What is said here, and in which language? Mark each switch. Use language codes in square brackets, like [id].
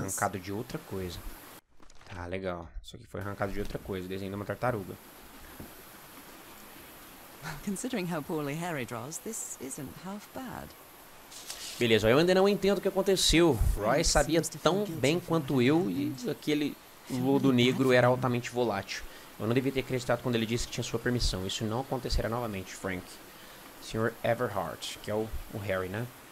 [pt] Arrancado de outra coisa. Tá legal. Isso aqui foi arrancado de outra coisa. Desenho de uma tartaruga. [en] Considering how poorly Harry draws, this isn't half bad. [pt] Beleza, eu ainda não entendo o que aconteceu. Roy sabia tão bem quanto eu e aquele lodo negro era altamente volátil. Eu não devia ter acreditado quando ele disse que tinha sua permissão. Isso não acontecerá novamente, Frank. Sr. Everhart, que é o Harry, né?